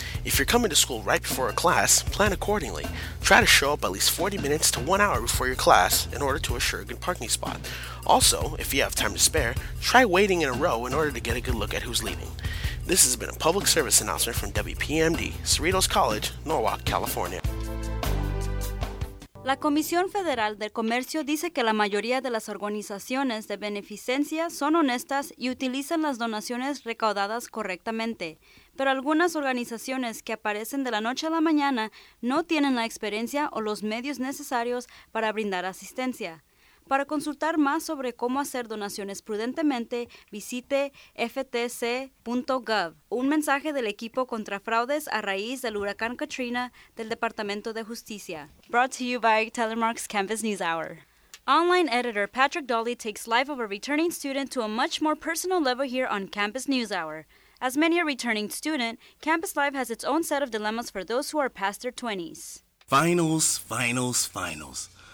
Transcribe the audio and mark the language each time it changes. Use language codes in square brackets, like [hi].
[en] If you're coming to school right before a class, plan accordingly. Try to show up at least 40 minutes to 1 hour before your class in order to assure a good parking spot. Also, if you have time to spare, try waiting in a row in order to get a good look at who's leaving. This has been a public service announcement from WPMD, Cerritos College, Norwalk, California. [es] La Comisión Federal del Comercio dice que la mayoría de las organizaciones de beneficencia son honestas y utilizan las donaciones recaudadas correctamente, pero algunas organizaciones que aparecen de la noche a la mañana no tienen la experiencia o los medios necesarios para brindar asistencia. Para consultar más sobre cómo hacer donaciones prudentemente, visite ftc.gov. Un mensaje del equipo contra fraudes a raíz del huracán Katrina del Departamento de Justicia. [en] Brought to you by Telemark's Campus News Hour. Online editor Patrick Dolly takes life of a returning student to a much more personal level here on Campus News Hour. As many a returning student, campus life has its own set of dilemmas for those who are past their 20s. Finals, finals, finals.